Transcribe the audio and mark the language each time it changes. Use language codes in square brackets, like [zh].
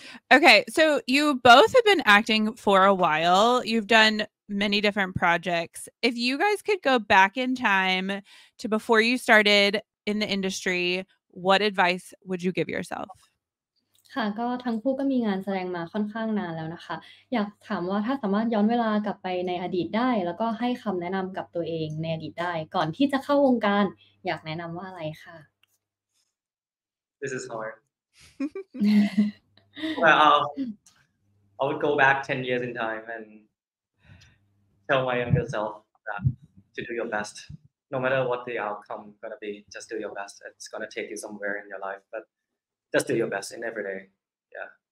[en] Okay, so you both have been acting for a while. You've done many different projects. If you guys could go back in time to before you started in the industry, what advice would you give yourself? [th] ค่ะก็ทั้งคู่ก็มีงานแสดงมาค่อนข้างนานแล้วนะคะอยากถามว่าถ้าสามารถย้อนเวลากลับไปในอดีตได้แล้วก็ให้คำแนะนำกับตัวเองในอดีตได้ก่อนที่จะเข้าวงการอยากแนะนำว่าอะไรค่ะ [en] This is hard. Well, I would go back 10 years in time and tell my younger self that to do your best. No matter what the outcome is going to be, just do your best. It's going to take you somewhere in your life, but just do your best in every day. Yeah.